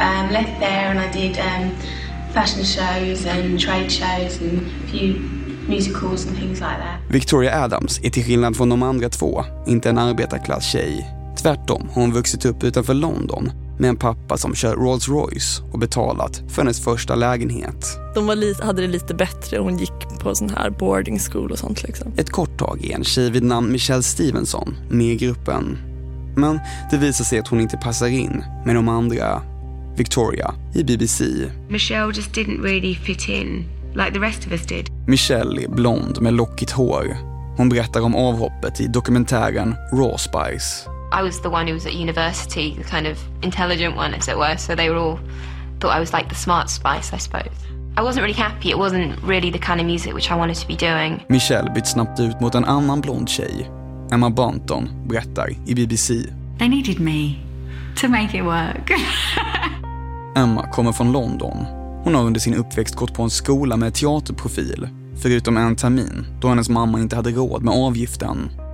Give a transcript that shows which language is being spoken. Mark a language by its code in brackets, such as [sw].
[en] Left there and I did fashion shows and trade shows and a few musicals and things like that. [sv] Victoria Adams är till skillnad från de andra två inte en arbetarklass tjej. Tvärtom, hon vuxit upp utanför London med en pappa som kör Rolls Royce och betalat för hennes första lägenhet. De var hade det lite bättre, hon gick på sån här boarding school och sånt liksom. Ett kort tag är en tjej vid namn Michelle Stevenson med i gruppen. Men det visar sig att hon inte passar in med de andra. Victoria i BBC. [en] Michelle just didn't really fit in like the rest of us did. [sv] Michelle är blond med lockigt hår. Hon berättar om avhoppet i dokumentären Raw Spice. [en] I was the one who was at university, the kind of intelligent one as it were, so they were all thought I was like the smart spice, I suppose. I wasn't really happy, it wasn't really the kind of music which I wanted to be doing. [sv] Michelle bytt snabbt ut mot en annan blond tjej. Emma Bunton berättar i BBC. [en] They needed me to make it work. [sv] Emma kommer från London. Hon har under sin uppväxt gått på en skola med teaterprofil, förutom en termin då hennes mamma inte hade råd med avgiften.